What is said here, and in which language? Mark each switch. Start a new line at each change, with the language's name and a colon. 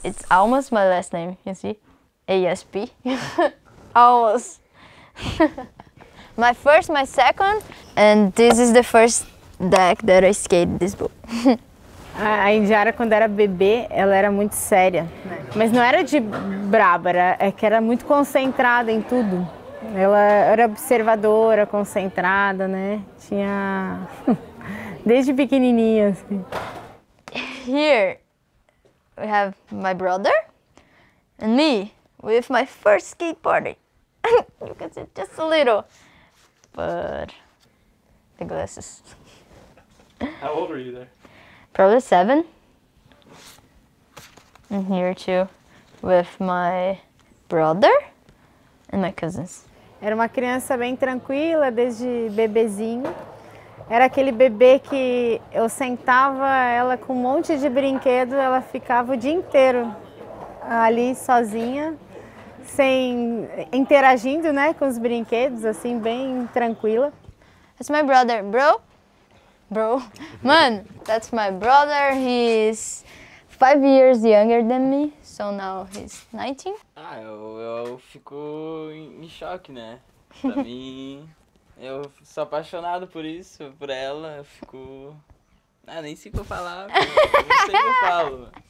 English: Almost my last name, you see? Asp. Almost. My first, my second, and this is the first deck that I skate this book.
Portuguese: A Yndiara, quando era bebê, ela era muito séria. Mas não era de braba, é que era muito concentrada em tudo. Ela era observadora, concentrada, né? Tinha... Desde pequenininha, assim.
English: Here. We have my brother and me with my first skateboarding. You can see just a little, but the glasses. How old were you there? Probably 7. And here too with my brother and my cousins.
Portuguese: Era uma criança bem tranquila desde bebezinho. Era aquele bebê que eu sentava ela com um monte de brinquedo, ela ficava o dia inteiro ali sozinha, sem interagindo, né, com os brinquedos, assim, bem tranquila.
English: That's my brother, bro. Bro. Man, that's my brother. He's 5 years younger than me, so now he's 19.
Portuguese: Ah, eu fico em choque, né? Pra mim... Eu sou apaixonado por isso, por ela, eu fico... Ah, nem sei o que eu falar, não sei o que eu falo.